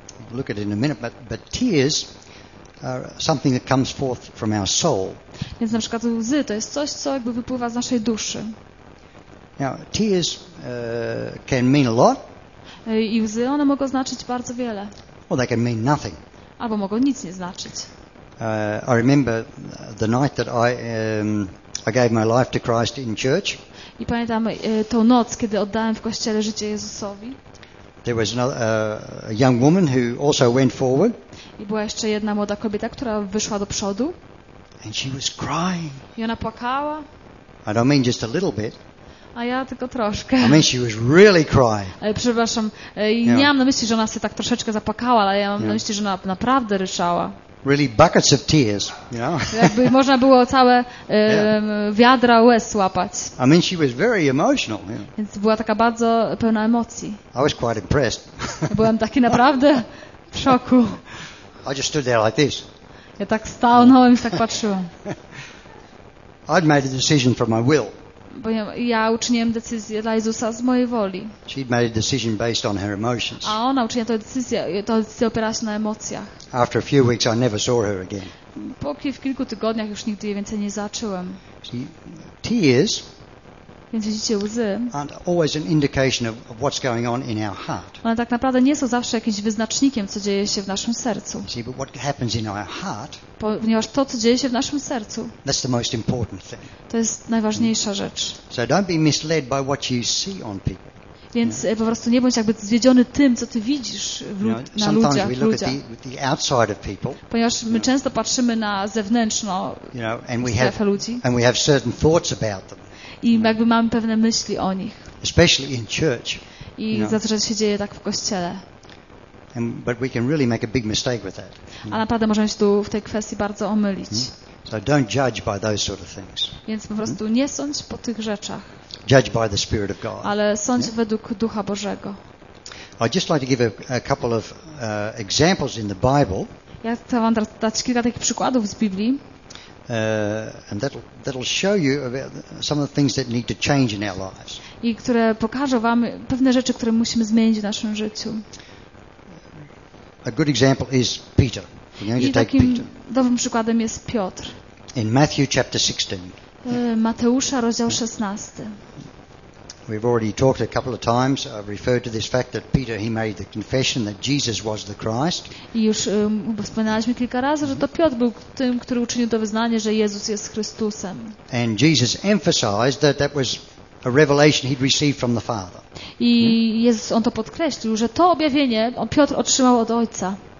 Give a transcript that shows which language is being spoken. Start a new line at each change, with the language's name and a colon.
English: We'll look at it in a minute, but tears are something that comes forth from our soul.
Polish: Więc na przykład łzy to jest coś, co jakby wypływa z naszej duszy.
English: Now, tears can mean a lot.
Polish: I łzy, one mogą znaczyć bardzo wiele.
English: Or they can mean nothing.
Polish: Albo mogą nic nie znaczyć.
English: I remember the night that I gave my life to Christ in church.
Polish: I pamiętam tą noc, kiedy oddałem w kościele życie Jezusowi.
English: There was another, a young woman who also went forward.
Polish: I była jeszcze jedna młoda kobieta, która wyszła do przodu.
English: And she was crying.
Polish: I ona płakała.
English: I don't mean just a little bit.
Polish: A ja tylko troszkę.
English: I mean she was really crying.
Polish: Przepraszam, nie mam na myśli, że ona się tak troszeczkę zapłakała, ale ja mam na myśli, że ona naprawdę ryczała.
English: Really buckets of tears, you know.
Polish: Jakby można było całe wiadra łez łapać.
English: I mean, she was very emotional.
Polish: Więc była taka bardzo pełna emocji.
English: I was quite impressed.
Polish: Byłem taki naprawdę w szoku.
English: I just stood there like this.
Polish: Ja tak stałem i tak patrzyłem.
English: I'd made a decision for my will.
Polish: Bo ja uczyniłem decyzję dla Jezusa z mojej woli.
English: She'd made a decision based on her emotions.
Polish: A ona uczyniła tę decyzję opierała się na emocjach.
English: After a few weeks, I never saw her again.
Polish: Po kilku tygodniach już nigdy jej więcej nie zacząłem.
English: Tears.
Polish: Więc widzicie, łzy.
English: Aren't always an indication of what's going on in our heart.
Polish: One tak naprawdę nie są zawsze jakimś wyznacznikiem, co dzieje się w naszym sercu.
English: See, but what happens in our heart.
Polish: Ponieważ to, co dzieje się w naszym sercu.
English: That's the most important thing.
Polish: To jest najważniejsza rzecz.
English: So don't be misled by what you see on people.
Polish: Więc po prostu nie bądź jakby zwiedziony tym, co ty widzisz na ludziach.
English: We look at the outside of people,
Polish: ponieważ my często patrzymy na zewnętrzną strefę ludzi.
English: And we have certain thoughts about them.
Polish: I jakby mamy pewne myśli o nich.
English: Especially in church.
Polish: I za to, że się dzieje tak w kościele.
English: But we can really make a big mistake with that.
Polish: A naprawdę możemy się tu w tej kwestii bardzo omylić.
English: So don't judge by those sort of things.
Polish: Więc po prostu nie sądź po tych rzeczach.
English: Judge by the Spirit of God.
Polish: Ale sądź według Ducha Bożego.
English: I'd just like to give a couple of examples in the Bible.
Polish: Ja chcę wam teraz dać kilka takich przykładów z Biblii.
English: And that'll show you about some of the things that need to change in our lives.
Polish: I które pokażą wam pewne rzeczy, które musimy zmienić w naszym życiu.
English: A good example is Peter. We're going
Polish: I
English: to
Polish: takim
English: take Peter.
Polish: Dobrym przykładem jest Piotr.
English: In Matthew chapter 16.
Polish: Mateusza, rozdział 16.
English: We've already talked a couple of times. I've referred to this fact that Peter, he made the confession that Jesus was the Christ.
Polish: I już wspominaliśmy kilka razy, że to Piotr był tym, który uczynił to wyznanie, że Jezus jest Chrystusem.
English: And Jesus emphasized that that was a revelation he'd received from the Father.
Polish: I Jezus, on to podkreślił, że to objawienie Piotr otrzymał od Ojca.